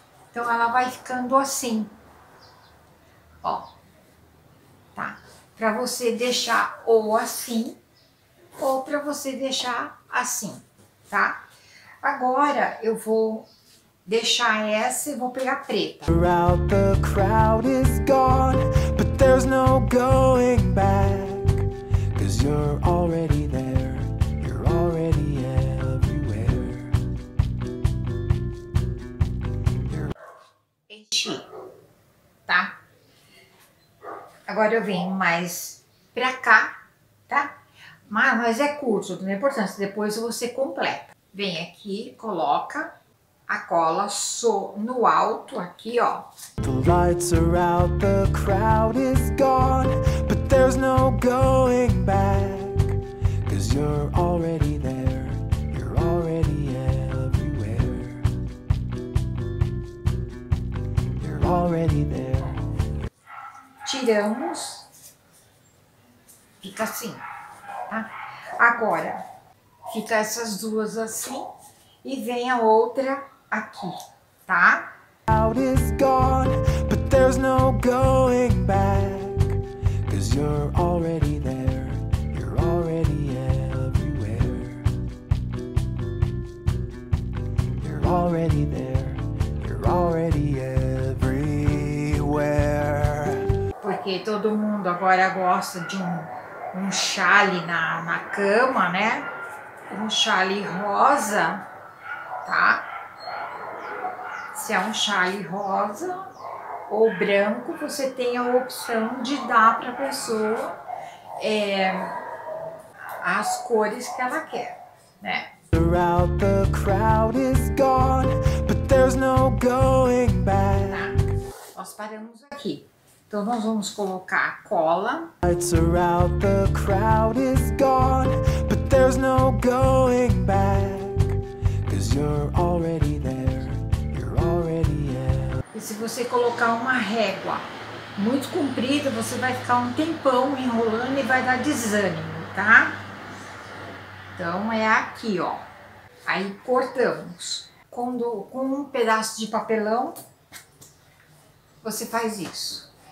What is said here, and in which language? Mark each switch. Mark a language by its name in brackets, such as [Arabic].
[Portuguese] Então ela vai ficando assim. Ó. Tá? Pra você deixar ou assim, ou pra você deixar assim, tá? Agora eu vou deixar essa e vou pegar preta. [English] Out the crowd is gone, but there's no going back, 'cause you're already there, you're already everywhere. [Portuguese] Enchi, tá? Agora eu venho mais pra cá, tá? Mas é curto, não é importante, depois você completa. Vem aqui, coloca a cola no alto aqui, ó. [English] The lights are out, the crowd is gone, but there's no going back, 'cause you're already there, you're already everywhere. You're already there. [Portuguese] Tiramos, fica assim, tá? Agora, fica essas duas assim e vem a outra aqui, tá? [English] Out is gone, but there's no going back, 'cause you're already there, you're already everywhere. You're already there, you're already everywhere. [Portuguese] Porque todo mundo agora gosta de um xale na cama, né? Um xale rosa, tá? Se é um xale rosa ou branco, você tem a opção de dar pra pessoa as cores que ela quer, né? [English] Throughout the crowd is gone, but there's no going back. [Portuguese] Tá. Nós paramos aqui. Então nós vamos colocar a cola. [English] Lights are out, the crowd is gone, but there's no going back, 'cause you're already there, you're already there. [Portuguese] E se você colocar uma régua muito comprida, você vai ficar um tempão enrolando e vai dar desânimo, tá? Então é aqui, ó. Aí cortamos. Com um pedaço de papelão, você faz isso.